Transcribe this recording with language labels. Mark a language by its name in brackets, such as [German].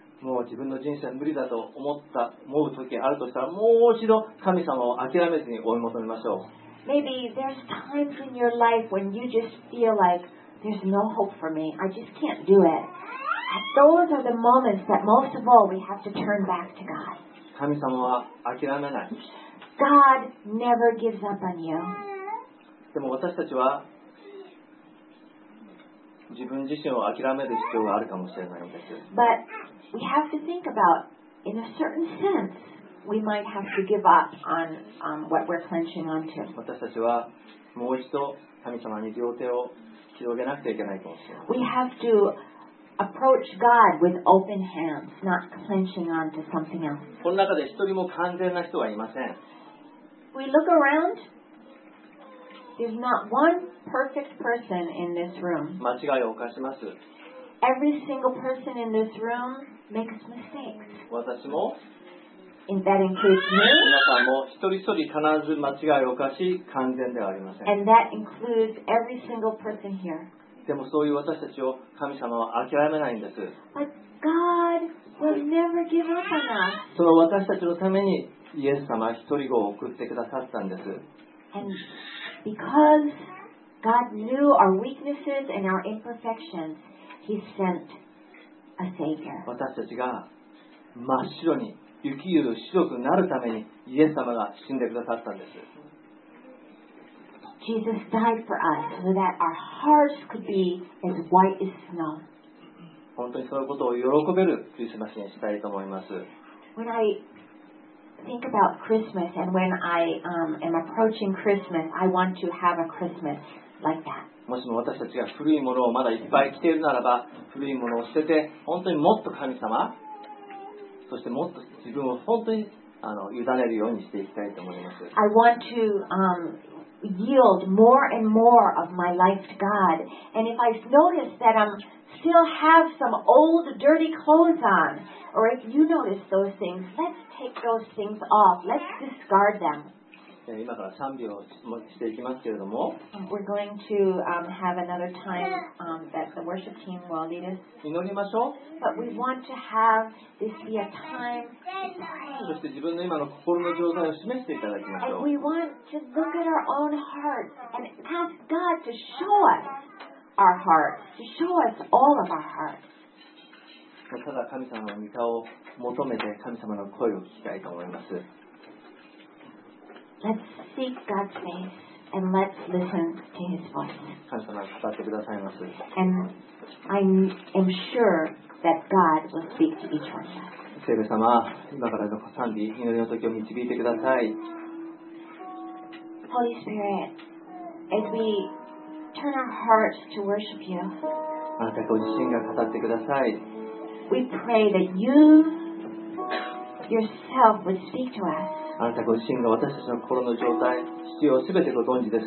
[Japanese] もう自分の人生は無理だと思う時があるとしたら、もう一度神様を諦めずに追い求めましょう。 [English] Maybe there's times in your life when you just feel like there's no hope for me. I just can't do it. Those are the moments that most of all we have to turn back to God. [Japanese] 神様は諦めない。 [English] God never gives up on you. [Japanese] でも私たちは自分自身を諦める必要があるかもしれないのです。 [English] But we have to think about, in a certain sense, we might have to give up on what we're clenching onto. [Japanese] 私たちはもう一度神様に両手を広げなくてはいけないかもしれない。 [English] We have to approach God with open hands, not clenching onto something else. [Japanese] この中で一人も完全な人はいません。 [English] We look around. There's not one perfect person in this room. [Japanese] 間違いを犯します。 [English] Every single person in this room makes mistakes. [Japanese] 私も。 [English] And that includes me. [Japanese] 皆さんも一人一人必ず間違いを犯し、完全ではありません。 [English] And that includes every single person here. [Japanese] でもそういう私たちを神様は諦めないんです。 [English] But God will never give up on us. [Japanese] その私たちのためにイエス様一人子を送ってくださったんです。 [English] And... Because God knew our weaknesses and our imperfections, He sent a Savior. [Japanese] 私たちが真っ白に雪より白くなるためにイエス様が死んでくださったんです。 [English] Jesus died for us so that our hearts could be as white as snow. [Japanese] 本当にそのことを喜べるクリスマスにしたいと思います。 [English] When I... Think about Christmas, and when I am approaching Christmas, I want to have a Christmas like that. [Japanese] もしも私たちが古いものをまだいっぱい着ているならば、古いものを捨てて、本当にもっと神様、そしてもっと自分を本当に委ねるようにしていきたいと思います。 [English] I want to yield more and more of my life to God. And if I notice that I'm still have some old dirty clothes on, or if you notice those things, let's. Take those things off. Let's discard them. [Japanese] 今から賛美をしていきますけれども、 [English] We're going to have another time that the worship team will lead us. [Japanese] 祈りましょう。 [English] But we want to have this be a time. [Japanese] そして自分の今の心の状態を示していただきましょう。 [English] And we want to look at our own hearts and ask God to show us our hearts, to show us all of our hearts. [Japanese] ただ神様の御顔を求めて神様の声を聞きたいと思います。 [English] Let's seek God's face and let's listen to His voice. [Japanese] 神様が語ってくださいます。 [English] And I am sure that God will speak to each one. [Japanese] 聖霊様、今からの賛美、祈りの時を導いてください。 [English] Holy Spirit, as we turn our hearts to worship you, [Japanese] あなたご自身が語ってください。 [English] We pray that you yourself would speak to us. [Japanese] あなたご自身が私たちの心の状態、必要すべてご存知です。